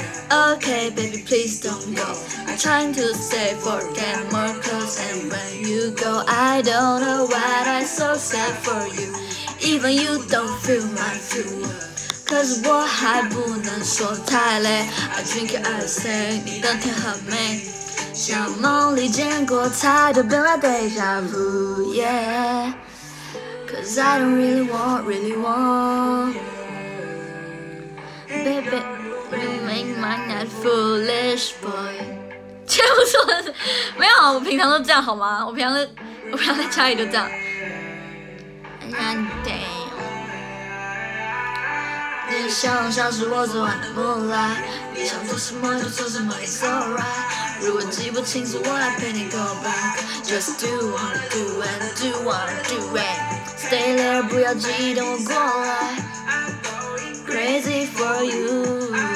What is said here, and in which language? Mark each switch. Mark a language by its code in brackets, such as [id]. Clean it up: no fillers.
[en] Okay, baby, please don't go. I'm trying to stay for get more close, and when you go, I don't know why I'm so sad for you. Even you don't feel my feel. [zh] Cause 我还不能说太累。 [en] I drink your ice tea， [zh] 你的天很美。像梦里见过太多本来的 déjà vu， yeah。 [en] Cause I don't really want, really want. Baby, you make my night foolish, boy. [zh] 这不是我的，没有，我平常都这样好吗？我平常在家里都这样。 [en] And I'm down. [zh] 你的笑容像是我昨晚的 moonlight， 你想做什么就做什么 ， [en] It's alright。 [zh] 如果记不清楚，我来陪你 [en] go back。 Just do wanna do and do wanna do it。 Stay there， [zh] 不要激动，我过来。 [en] Crazy for you。